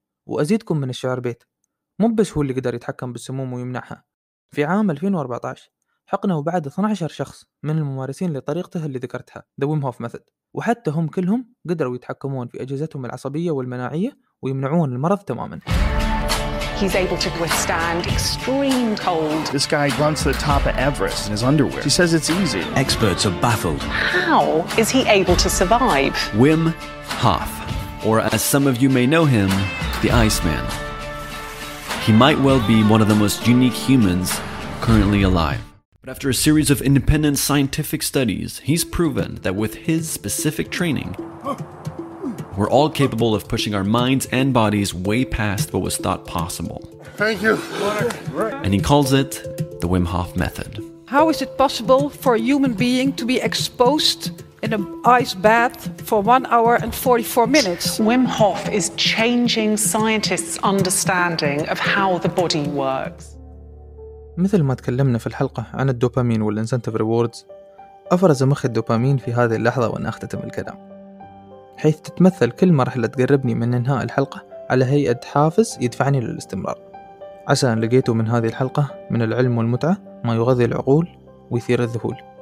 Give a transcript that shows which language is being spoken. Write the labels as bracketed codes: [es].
[ar] وأزيدكم من الشعر بيت، مو بس هو اللي قدر يتحكم بالسموم ويمنعها، في عام 2014 حقنه بعد 12 شخص من الممارسين لطريقته اللي ذكرتها The Wim Hof Method، وحتى هم كلهم قدروا يتحكمون في أجهزتهم العصبية والمناعية ويمنعون المرض تماما. [en] He's able to withstand extreme cold. This guy runs to the top of Everest in his underwear. He says it's easy. Experts are baffled. How is he able to survive? Wim Hof, or as some of you may know him, the Iceman. He might well be one of the most unique humans currently alive. But after a series of independent scientific studies, he's proven that with his specific training, we're all capable of pushing our minds and bodies way past what was thought possible. Thank you. And he calls it the Wim Hof Method. How is it possible for a human being to be exposed in an ice bath for 1 hour and 44 minutes? Wim Hof is changing scientists' understanding of how the body works. [ar] مثل ما تكلمنا في الحلقة عن الدوبامين والإنسنتف ريوردز، أفرز مخ الدوبامين في هذه اللحظة وأنا أختتم الكلام، حيث تتمثل كل مرحلة تقربني من إنهاء الحلقة على هيئة حافز يدفعني للاستمرار. عسى أن لقيتوا من هذه الحلقة من العلم والمتعة ما يغذي العقول ويثير الذهول.